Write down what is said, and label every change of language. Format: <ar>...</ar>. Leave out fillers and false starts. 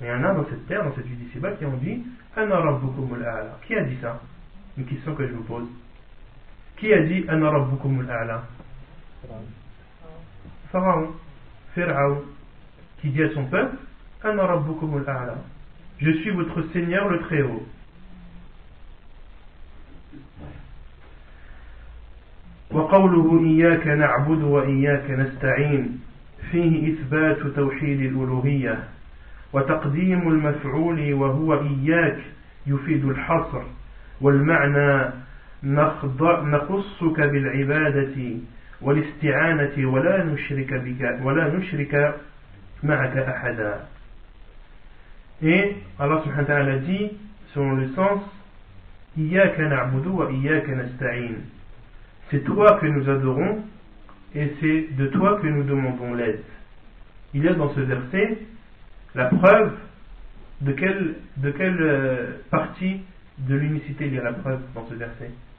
<fr>Il y en a dans cette terre, dans cette vie d'ici-bas, qui ont dit « Ana rabbukumul a'la ». Qui a dit ça? Une question que je vous pose. Qui a dit « Ana rabbukumul a'la » Pharaon. Pharaon. Qui dit à son peuple « Ana rabbukumul a'la ». Je suis votre Seigneur le Très-Haut.</fr> <ar>وقوله إياك نعبد وإياك نستعين فيه إثبات توحيد الألوهية وتقديم المفعول وهو إياك يفيد الحصر والمعنى نقصك بالعبادة والاستعانة ولا نشرك بك ولا نشرك معك أحدا.</ar> <fr>Et Allah subhanahu wa ta'ala dit, selon le sens, إياك نعبد وإياك نستعين. C'est toi que nous adorons et c'est de toi que nous demandons l'aide. Il y a dans ce verset la preuve de quelle partie de l'unicité il y a la preuve dans ce verset.</fr>